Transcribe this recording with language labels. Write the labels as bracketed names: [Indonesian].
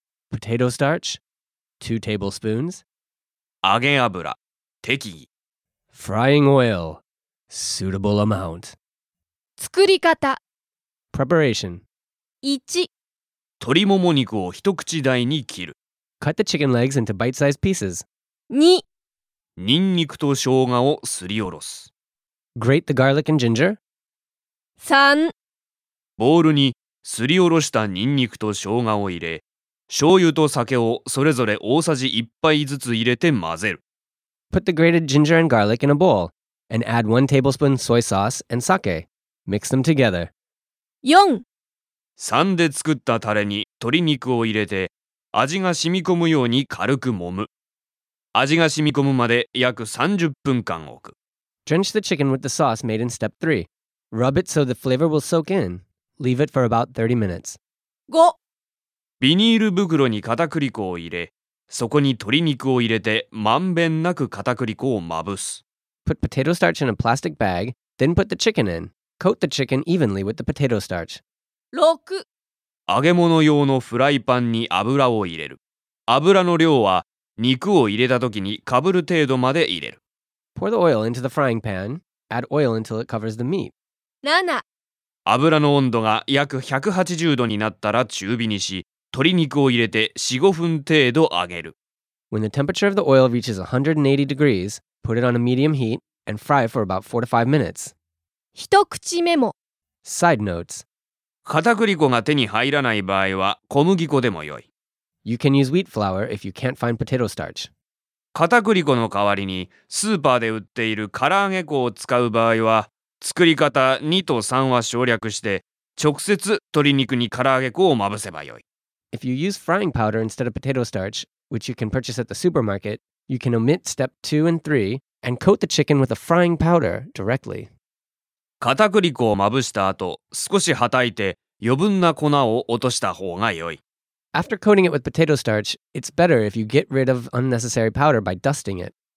[English] Potato starch, 2 tablespoons. [Japanese] 揚げ油適宜。 [English] Frying oil, suitable amount. [Japanese] 作り方。 [English] Preparation. 1. [Japanese] 鶏もも肉を一口大に切る。 [English] Cut the chicken legs into bite-sized pieces. 2. [Japanese] ニンニクと生姜をすりおろす。 [English] Grate the garlic and ginger. 3. [Japanese] ボウルにすりおろしたニンニクと生姜を入れ、醤油と酒をそれぞれ大さじ1杯ずつ入れて混ぜる。 [English] Put the grated ginger and garlic in a bowl, and add 1 tablespoon soy sauce and sake. Mix them together. 4. [Japanese] 3で作ったタレに鶏肉を入れて、味が染み込むように軽く揉む。味が染み込むまで約30分間置く。 [English] Drench the chicken with the sauce made in step 3. Rub it so the flavor will soak in. Leave it for about 30 minutes. 5. [Japanese] ビニール袋に片栗粉を入れ、そこに鶏肉を入れて、まんべんなく片栗粉をまぶす。 [English] Put potato starch in a plastic bag, then put the chicken in. Coat the chicken evenly with the potato starch. 6. [Japanese] 揚げ物用のフライパンに油を入れる。油の量は肉を入れた時にかぶる程度まで入れる。 [English] Pour the oil into the frying pan. Add oil until it covers the meat. 7. [Japanese] 油の温度が約180度になったら中火にし、鶏肉を入れて 4-5 分程度揚げる。 [English] When the temperature of the oil reaches 180 degrees, put it on a medium heat and fry for about 4 to 5 minutes. [Japanese] 一口メモ。 [English] Side notes. [Japanese] 片栗粉が手に入らない場合は小麦粉でもよい。 [English] You can use wheat flour if you can't find potato starch. [Japanese] 片栗粉の代わりにスーパーで売っている唐揚げ粉を使う場合は、作り方2と3は省略して直接鶏肉に唐揚げ粉をまぶせばよい。 [English] If you use frying powder instead of potato starch, which you can purchase at the supermarket, you can omit step 2 and 3 and coat the chicken with a frying powder directly. [Japanese] 片栗粉をまぶした後、少しはたいて余分な粉を落とした方がよい。 [English] After coating it with potato starch, it's better if you get rid of unnecessary powder by dusting it.